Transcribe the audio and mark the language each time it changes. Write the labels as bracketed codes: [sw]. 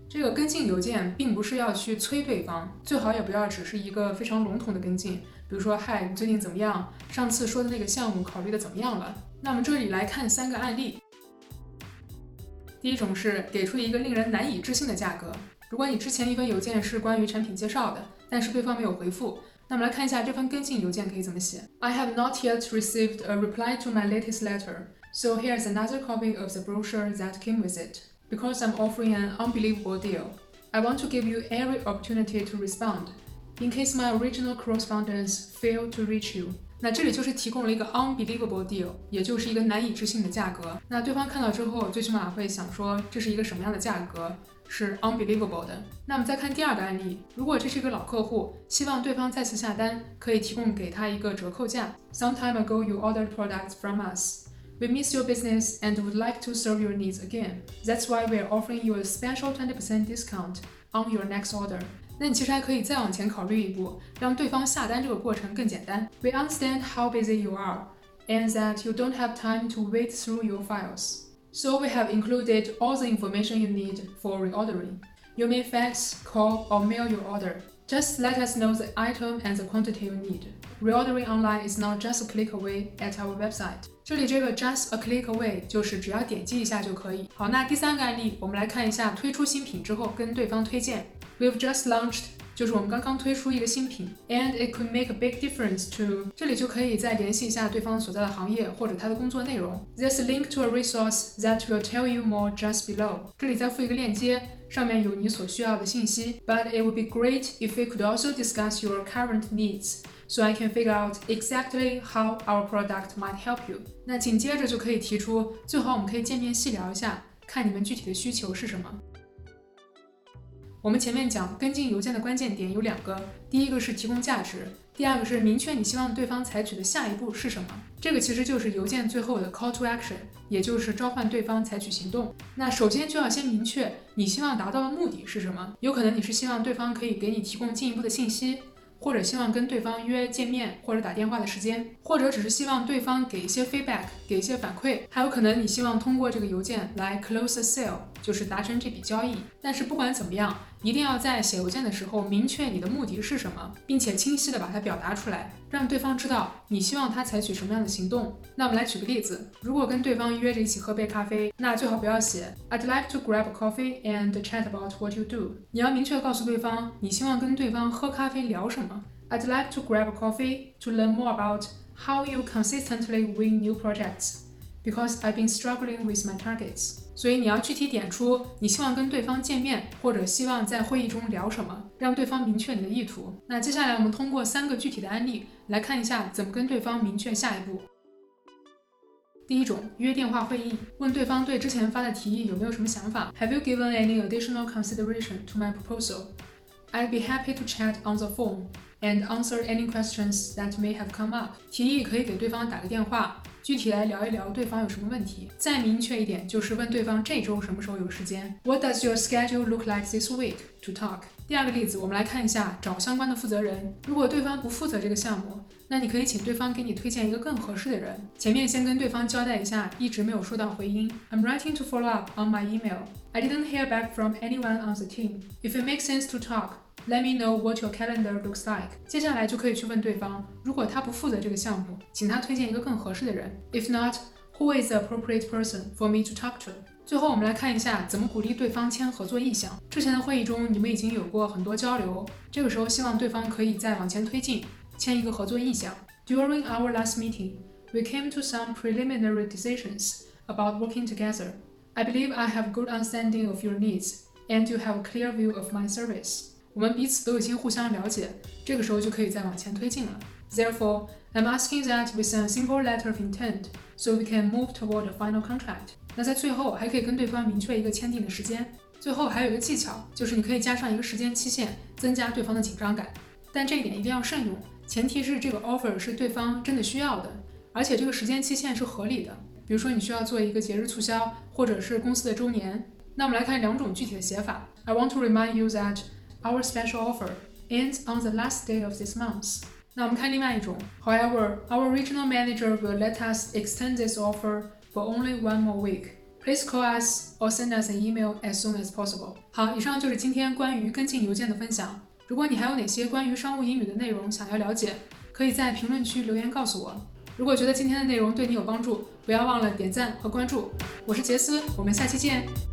[zh] 这个跟进邮件并不是要去催对方，最好也不要只是一个非常笼统的跟进，比如说嗨，你最近怎么样，上次说的那个项目考虑的怎么样了。那我们这里来看三个案例。第一种是给出一个令人难以置信的价格。如果你之前一份邮件是关于产品介绍的，但是对方没有回复，那么来看一下这份跟进邮件可以怎么写。 [en] I have not yet received a reply to my latest letter, so here's another copy of the brochure that came with it. Because I'm offering an unbelievable deal, I want to give you every opportunity to respond, in case my original correspondence failed to reach you. [zh] 那这里就是提供了一个 [en] unbelievable deal, [zh] 也就是一个难以置信的价格。那对方看到之后最起码会想说这是一个什么样的价格，是 unbelievable 的。那么再看第二个案例，如果这是一个老客户，希望对方再次下单，可以提供给他一个折扣价。 [en] Some time ago you ordered products from us. We miss your business and would like to serve your needs again. That's why we're offering you a special 20% discount on your next order. 那你其实还可以再往前考虑一步，让对方下单这个过程更简单。 We understand how busy you are and that you don't have time to wait through your files. So we have included all the information you need for reordering. You may fax, call, or mail your order. Just let us know the item and the quantity you need. Reordering online is not just a click away at our website. [zh] 这里这个 [en] just a click away [zh] 就是只要点击一下就可以。好，那第三个案例，我们来看一下推出新品之后跟对方推荐。 [en] We've just launched, [zh] 就是我们刚刚推出一个新品。 [en] And it could make a big difference to, [zh] 这里就可以再联系一下对方所在的行业或者他的工作内容。 [en] There's a link to a resource that will tell you more just below. [zh] 这里再附一个链接，上面有你所需要的信息。 [en] But it would be great if we could also discuss your current needs, so I can figure out exactly how our product might help you. [zh] 那紧接着就可以提出，最好我们可以见面细聊一下，看你们具体的需求是什么。我们前面讲跟进邮件的关键点有两个，第一个是提供价值，第二个是明确你希望对方采取的下一步是什么。这个其实就是邮件最后的 [en] call to action， [zh] 也就是召唤对方采取行动。那首先就要先明确你希望达到的目的是什么，有可能你是希望对方可以给你提供进一步的信息，或者希望跟对方约见面或者打电话的时间，或者只是希望对方给一些 feedback， 给一些反馈，还有可能你希望通过这个邮件来 [en] close a sale， [zh] 就是达成这笔交易。但是不管怎么样，一定要在写邮件的时候明确你的目的是什么，并且清晰地把它表达出来，让对方知道你希望他采取什么样的行动。那我们来举个例子，如果跟对方约着一起喝杯咖啡，那最好不要写 [en] I'd like to grab a coffee and chat about what you do. [zh] 你要明确告诉对方你希望跟对方喝咖啡聊什么。 [en] I'd like to grab a coffee to learn more about how you consistently win new projects because I've been struggling with my targets. [zh] 所以你要具体点出你希望跟对方见面，或者希望在会议中聊什么，让对方明确你的意图。那接下来我们通过三个具体的案例来看一下怎么跟对方明确下一步。第一种，约电话会议，问对方对之前发的提议有没有什么想法。 [en] Have you given any additional consideration to my proposal? I'd be happy to chat on the phone and answer any questions that may have come up. [zh] 提议可以给对方打个电话，具体来聊一聊对方有什么问题。再明确一点，就是问对方这周什么时候有时间。 [en] What does your schedule look like this week to talk? [zh] 第二个例子，我们来看一下找相关的负责人。如果对方不负责这个项目，那你可以请对方给你推荐一个更合适的人。前面先跟对方交代一下，一直没有收到回音。 [en] I'm writing to follow up on my email. I didn't hear back from anyone on the team. If it makes sense to talk,Let me know what your calendar looks like. [zh] 接下来就可以去问对方，如果他不负责这个项目，请他推荐一个更合适的人。 [en] If not, who is the appropriate person for me to talk to? [zh] 最后我们来看一下怎么鼓励对方签合作意向。之前的会议中你们已经有过很多交流，这个时候希望对方可以再往前推进，签一个合作意向。 [en] During our last meeting, we came to some preliminary decisions about working together. I believe I have a good understanding of your needs, and you have a clear view of my service. [zh] 我们彼此都已经互相了解，这个时候就可以再往前推进了。 [en] Therefore, I'm asking that we send a simple letter of intent so we can move toward a final contract. [zh] 那在最后还可以跟对方明确一个签订的时间。最后还有一个技巧，就是你可以加上一个时间期限，增加对方的紧张感。但这一点一定要慎用，前提是这个 offer 是对方真的需要的，而且这个时间期限是合理的。比如说你需要做一个节日促销，或者是公司的周年。那我们来看两种具体的写法。 [en] I want to remind you thatOur special offer ends on the last day of this month. [zh] 那我们看另外一种。 [en] However, our regional manager will let us extend this offer for only one more week. Please call us or send us an email as soon as possible. [zh] 好，以上就是今天关于跟进邮件的分享。如果你还有哪些关于商务英语的内容想要了解，可以在评论区留言告诉我。如果觉得今天的内容对你有帮助，不要忘了点赞和关注。我是杰斯，我们下期见。